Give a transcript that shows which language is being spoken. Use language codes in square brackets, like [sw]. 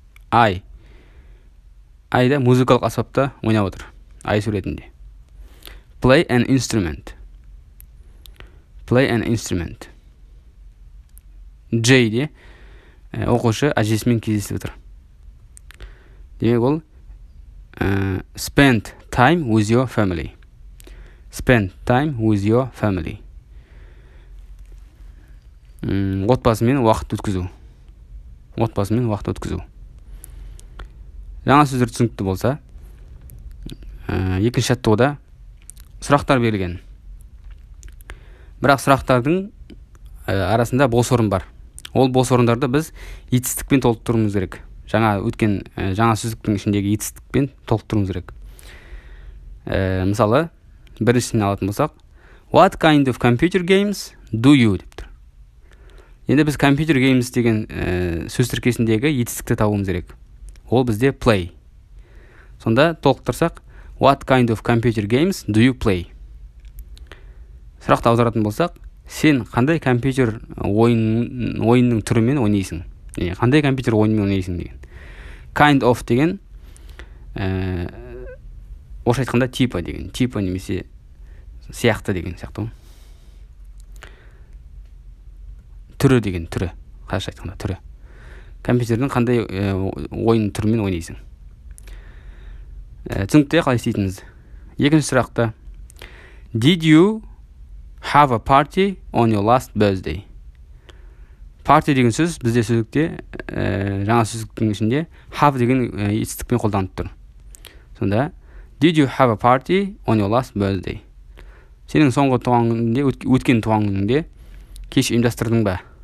[kk] I I да музыкалық аспапта ойнап отыр. [en] I [kk] суретінде. [en] Play an instrument. Play an instrument. [kk] J де оқушы әжесімен кездесіп отыр. Демек ол [en] spend time with your family. Spend time with your family. [kk] Отбасымен уақыт өткізу. Отбасымен уақыт өткізу. Жаңа сөздер түсінікті болса, екінші аттауда сұрақтар берілген. Бірақ сұрақтардың арасында бос орын бар. Ол бос орындарды біз етістікпен толықтыруымыз керек. Жаңа өткен жаңа сөздіктің ішіндегі етістікпен толықтыруымыз керек. Мысалы, біріншісін алатын болсақ, [en] what kind of computer games do you [kk] деп тұр. Енді біз computer games деген сөз тіркесіндегі етістікті табуымыз керек. Ол бізде play. Сонда толықтырсақ, [en] what kind of computer games do you play? [kk] Сұрақты аударатын болсақ, сен қандай компьютер ойынның түрімен ойнайсың? Не, қандай компьютер ойынмен ойнайсың деген. [en] Kind of [kk] деген орысша айтқанда типа деген, типа немесе сияқты деген сияқты. Түрі деген түрі, қазақша айтқанда түрі. Компьютердің қандай ойын түрімен ойнайсың? Түсінікті, қалай істейтініз? Екінші сұрақты. [en] Did you have a party on your last birthday? [kk] Party деген сөз бізде сөздікте, жаңа сөздіктің ішінде have деген етістікпен қолданып тұр. Сонда, [en] did you have a party on your last birthday? [kk] Сенің соңғы туған күнінде, өткен туған күнінде кеш ұйымдастырдың ба?